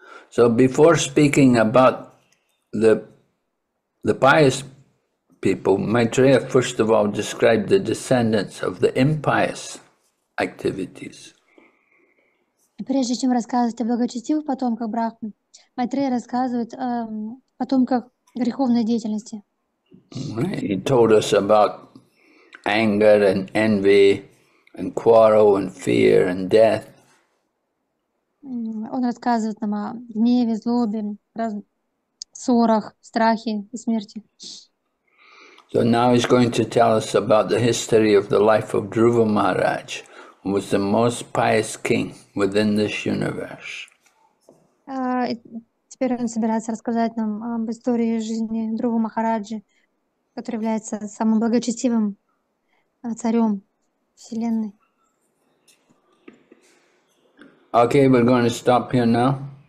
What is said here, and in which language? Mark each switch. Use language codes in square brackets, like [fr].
[en] So before speaking about the pious people, Maitreya first of all described the descendants of the impious activities. [ru] Прежде чем рассказывать о благочестивых потомках Брахмы, Майтрея рассказывает о потомках греховной деятельности. [en] He told us about anger and envy and quarrel and fear and death. [ru] Он рассказывает нам о гневе, злобе, ссорах, страхе и смерти. [en] So now he's going to tell us about the history of the life of Dhruva Maharaj, who was the most pious king within this universe. [ru] Теперь он собирается рассказать нам об истории жизни Друвы Махараджи, который является самым благочестивым царем Вселенной. [en] Okay, we're going to stop here now.